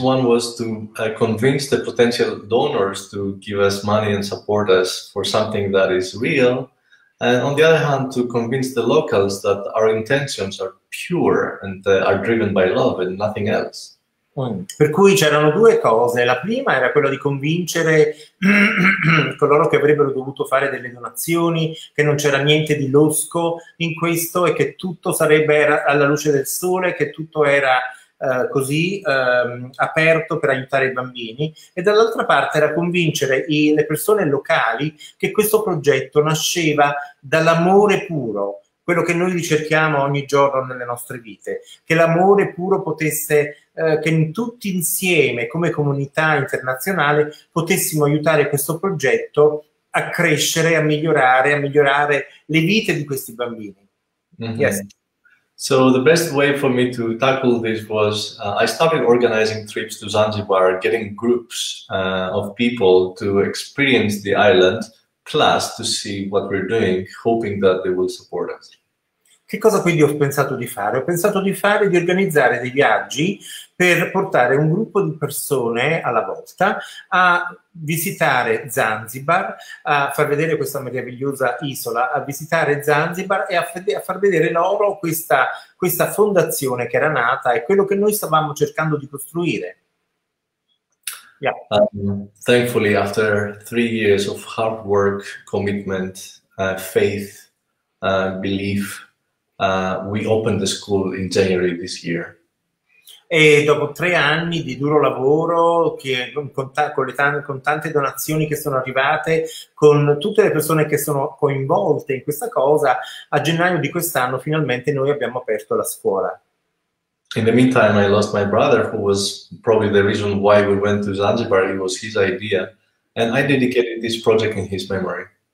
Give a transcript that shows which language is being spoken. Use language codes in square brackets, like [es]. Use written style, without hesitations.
[en] One was to convince the potential donors to give us money and support us for something that is real. And on the other hand, to convince the locals that our intentions are pure and are driven by love and nothing else. [it] Per cui c'erano due cose. La prima era quella di convincere coloro che avrebbero dovuto fare delle donazioni, che non c'era niente di losco in questo e che tutto sarebbe alla luce del sole, che tutto era aperto per aiutare i bambini, e dall'altra parte era convincere le persone locali che questo progetto nasceva dall'amore puro, quello che noi ricerchiamo ogni giorno nelle nostre vite, che l'amore puro potesse, che in tutti insieme come comunità internazionale potessimo aiutare questo progetto a crescere, a migliorare le vite di questi bambini. [en] Mm-hmm. Yes. So the best way for me to tackle this was I started organizing trips to Zanzibar, getting groups of people to experience the island, plus to see what we're doing, hoping that they will support us. [it] Che cosa quindi ho pensato di fare? Ho pensato di fare, di organizzare dei viaggi per portare un gruppo di persone alla volta a visitare Zanzibar, a far vedere questa meravigliosa isola, a visitare Zanzibar e a far vedere loro questa fondazione che era nata e quello che noi stavamo cercando di costruire. [en] Yeah. Thankfully, after 3 years of hard work, commitment, faith, belief, we opened the school in January this year. [it] E dopo 3 anni di duro lavoro, con tante donazioni che sono arrivate, con tutte le persone che sono coinvolte in questa cosa, a gennaio di quest'anno finalmente noi abbiamo aperto la scuola. [en] In the meantime, I lost my brother, who was probably the reason why we went to Zanzibar. It was his idea, and I dedicated this project in his memory.